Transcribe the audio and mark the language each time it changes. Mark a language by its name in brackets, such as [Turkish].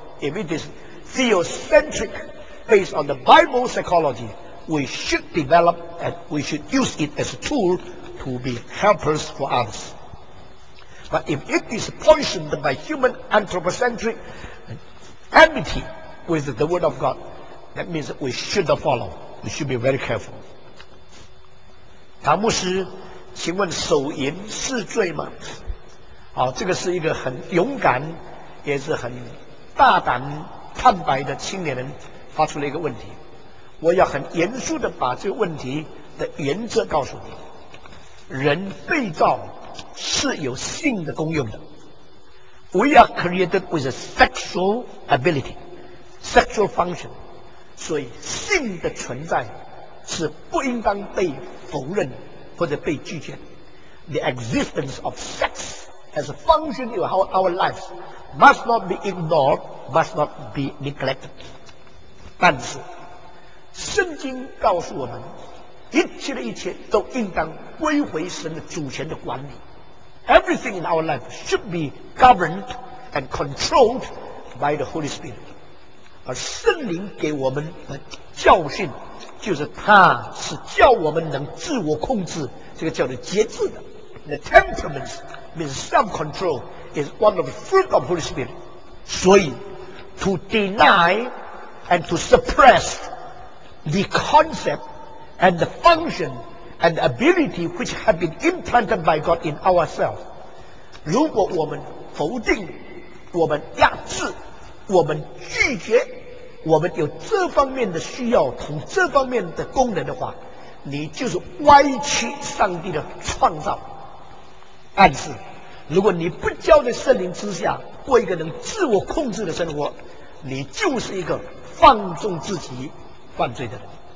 [English] If it is theocentric, based on the Bible psychology, we should develop and we should use it as a tool to be helpers for others. But if it is poisoned by human anthropocentric enmity with the Word of God, that means we should not follow. We should be very careful. [Chinese] 唐牧师，请问手淫是罪吗？好，这个是一个很勇敢，也是很大胆坦白的青年人发出了一个问题。我要很严肃地把这个问题的原则告诉你。人被造是有性的功用的。 [English] We are created with a sexual ability, sexual function. [Chinese] 所以性的存在是不应当被否认或者被拒绝。 [English] The existence of sex as a function in our lives must not be ignored, must not be neglected. [Chinese] 但是圣经告诉我们，一切的一切都应当归回神的主权的管理。 [English] Everything in our life should be governed and controlled by the Holy Spirit. [Chinese] 而圣灵给我们的教训，就是它是叫我们能自我控制，这个叫做节制的。 [English] The temperaments means self-control is one of the fruit of Holy Spirit. [Chinese] 所以 [English] to deny and to suppress the concept and the function and ability which have been implanted by God in ourselves. [Chinese] 如果我们否定，我们压制，我们拒绝，我们有这方面的需要和这方面的功能的话，你就是歪曲上帝的创造。但是如果你不交在圣灵之下过一个能自我控制的生活，你就是一个放纵自己犯罪的人。